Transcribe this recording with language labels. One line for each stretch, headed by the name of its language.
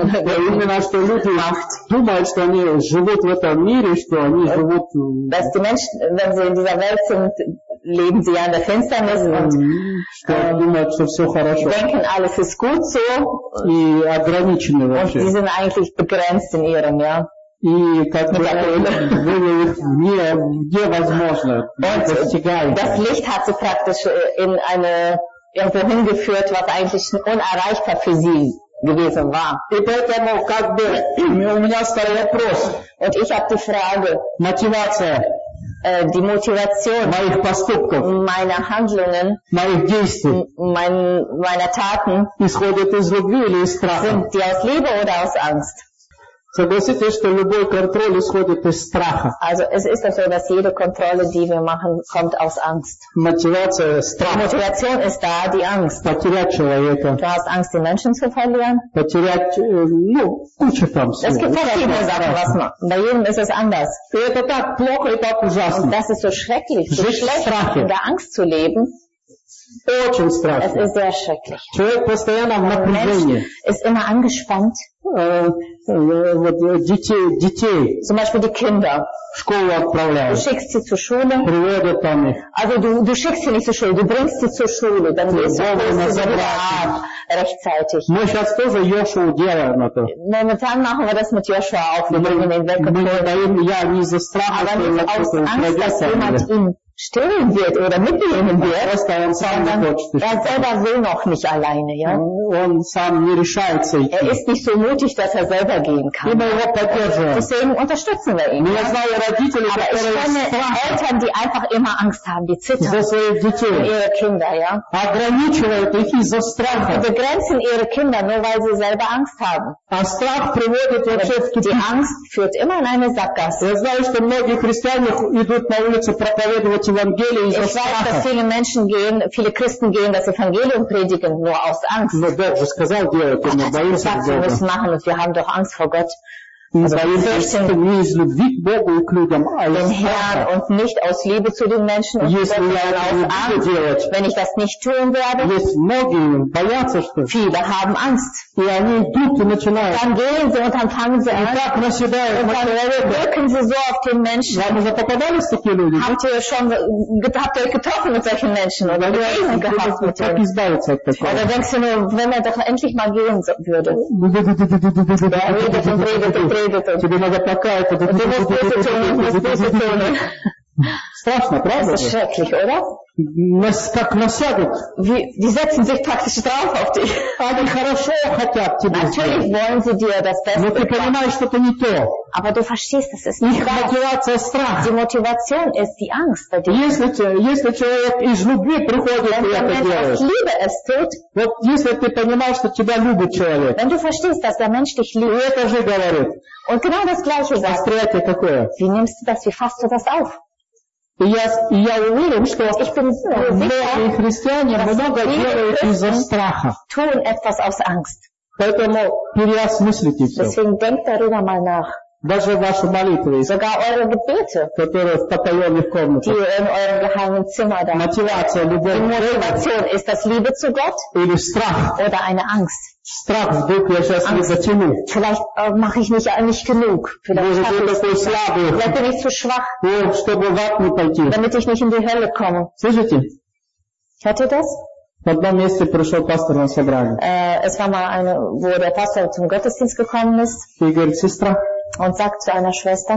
German: gemacht. Dass die Menschen, wenn sie in dieser Welt sind, leben sie ja in der Finsternis und denken, alles ist gut so. Und sie sind eigentlich begrenzt in ihrem, ja.
Russian: И как бы было их где возможно достигать.
German: Das Licht hat sie praktisch in eine irgendwo hingeführt, was eigentlich unerreichbar für sie gewesen war.
Russian: И поэтому как бы у меня стоял вопрос.
German: Und ich habe die Frage.
Russian: Мотивация.
German: Die Motivation
Russian: моих поступков,
German: meiner Handlungen,
Russian: моих действий,
German: meiner Taten,
Russian: исходят из любви или из страха?
German: Sind die aus Liebe oder aus Angst?
Russian: Согласитесь, что любой контроль исходит из страха.
German: Also es ist so, dass jede Kontrolle, die wir machen, kommt aus Angst.
Russian: Мотивация – страх.
German: Die Motivation ist da, die Angst.
Russian: Потерять человека.
German: Du hast Angst, die Menschen zu verlieren.
Russian: Потерять, ну, куча там всего.
German: Es gibt verschiedene Sachen, was man. Bei jedem ist es anders.
Russian: И это так плохо и так ужасно.
German: Und das ist so schrecklich, so schlecht, in der Angst zu leben.
Russian: Очень страшно.
German: Es ist sehr schrecklich.
Russian: Человек постоянно в напряжении.
German: Mensch ist immer angespannt.
Russian: Детей.
German: Zum Beispiel die Kinder.
Russian: Школу отправляют.
German: Du schickst sie zur Schule.
Russian: Приводят там их.
German: Also du schickst sie nicht zur Schule, du bringst sie zur Schule, dann gehst du rechtzeitig.
Russian: Мы сейчас тоже Йошуа делаем это.
German: Momentan machen wir das mit Йошуа auch, wenn wir ihn weggeholt haben.
Russian: Я не из-за страха,
German: aber aus Angst, dass jemand ihn stillen wird oder mitnehmen wird, sondern er selber will noch nicht alleine, ja? Und
Russian: сам не решается идти.
German: Er ist nicht so mutig, dass er selber gehen kann. Immer
Russian: его поддерживаем.
German: Deswegen unterstützen wir ihn. Ja? Aber ich kenne Eltern, die einfach immer Angst haben, die zittern. Für ihre Kinder, ja?
Russian: Ограничивают их из-за страха.
German: Sie begrenzen ihre Kinder nur, weil sie selber Angst haben.
Russian: А страх приводит вообще в тупик.
German: Die Angst führt immer in eine Sackgasse.
Russian: Я знаю, что многие христиане идут на улицу проповедовать.
German: Ich weiß, dass viele Menschen gehen, viele Christen gehen, das Evangelium predigen, nur aus Angst.
Russian: Но Бог же сказал, делайте, не боимся Бога.
German: Wir müssen machen, und wir haben doch Angst vor Gott. Also, den Herrn und nicht aus Liebe zu den Menschen und aus Angst. Wenn ich das nicht tun werde, viele haben Angst. Dann gehen sie und dann fangen sie an. Und dann wirken sie so auf den Menschen. Habt ihr euch getroffen mit solchen Menschen oder gehabt mit denen? Oder denkst du nur, wenn er doch endlich mal gehen würde?
Russian: Тебе надо покаяться. Ты не позиционный. Страшно, правда? Это
German: schrecklich, oder?
Russian: Нас как насядут.
German: Die setzen sich praktisch drauf auf dich.
Russian: Они хорошо хотят тебе.
German: Natürlich wollen sie dir das Beste.
Russian: Но ты понимаешь, что это не то.
German: Aber du verstehst, das ist nicht wahr.
Russian: Мотивация страх.
German: Die Motivation ist die Angst bei dir.
Russian: Если человек из любви приходит и это делает.
German: Wenn der Mensch aus Liebe es tut.
Russian: Вот если ты понимаешь, что тебя любит человек.
German: Wenn du verstehst, dass der Mensch dich liebt.
Russian: И это же говорит.
German: Und genau das Gleiche sagt.
Russian: Восприятие такое.
German: Wie nimmst du das, wie fasst du das auf?
Russian: Я уверен, что многие христиане много делают из-за страха.
German: Tun etwas aus Angst.
Russian: Поэтому переосмыслите все.
German: Deswegen denkt darüber mal nach.
Russian: Даже ваши молитвы,
German: sogar eure Gebete,
Russian: которые в потаенной комнате,
German: die in eurem geheimen Zimmer da.
Russian: Мотивация любовь.
German: Die Motivation ist das Liebe zu Gott?
Russian: Или страх?
German: Oder eine Angst?
Russian: Страх в духе, я сейчас не затяну.
German: Vielleicht mache ich nicht genug.
Russian: Может, я такой слабый.
German: Vielleicht bin ich zu schwach.
Russian: Чтобы в ад не пойти.
German: Damit ich nicht in die Hölle komme.
Russian: Слышите?
German: Hört ihr das?
Russian: В одном месте пришел пастор на собрание.
German: Es war mal eine, wo der Pastor zum Gottesdienst gekommen ist.
Russian: И говорит, сестра.
German: Und sagt zu einer Schwester,